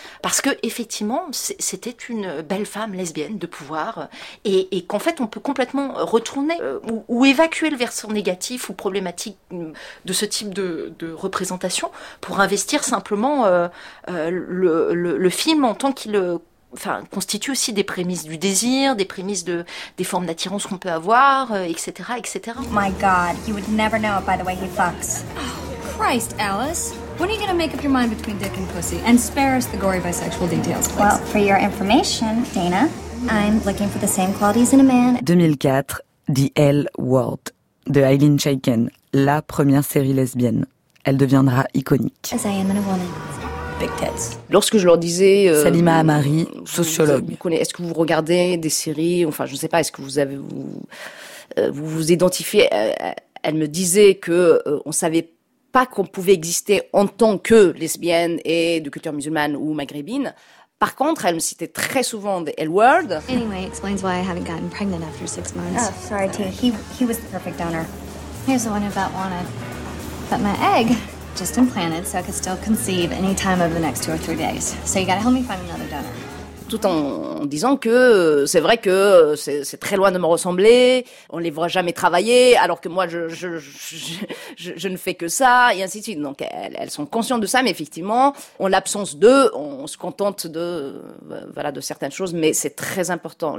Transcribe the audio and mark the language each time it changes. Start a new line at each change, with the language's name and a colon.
French: Parce que effectivement, c'était une belle femme lesbienne de pouvoir, et qu'en fait, on peut complètement retourner ou évacuer le versant négatif ou problématique de ce type de représentation pour investir simplement le film en tant qu'il... Enfin, constitue aussi des prémices du désir, des prémices des formes d'attirance qu'on peut avoir, etc., etc.
English: My God, you would never know it by the way he fucks. Oh, Christ, Alice. When are you gonna make up your mind between dick and pussy? And spare us the gory bisexual details, please. Well, for your information, Dana, I'm looking for the same qualities in a man.
French: 2004, The L Word, de Eileen Chaiken, la première série lesbienne. Elle deviendra iconique.
English: As I am in a woman.
French: Lorsque je leur disais... Salima Amari, sociologue. Est-ce que vous regardez des séries? Enfin, je ne sais pas, est-ce que vous avez... Vous vous identifiez... Elle me disait qu'on ne savait pas qu'on pouvait exister en tant que lesbienne et de culture musulmane ou maghrébine. Par contre, elle me citait très souvent des L Word.
English: Anyway, explains why I haven't gotten pregnant after six months. Oh, sorry, T. He was the perfect donor. He was the one who wanted. But my egg... Just implanted, so I could still conceive any time over the next two or three days. So you gotta help me find another donor.
French: Tout en disant que c'est vrai que c'est très loin de me ressembler, on les voit jamais travailler, alors que moi je ne fais que ça, et ainsi de suite. Donc elles sont conscientes de ça, mais effectivement, en l'absence d'eux, on se contente de certaines choses, mais c'est très important.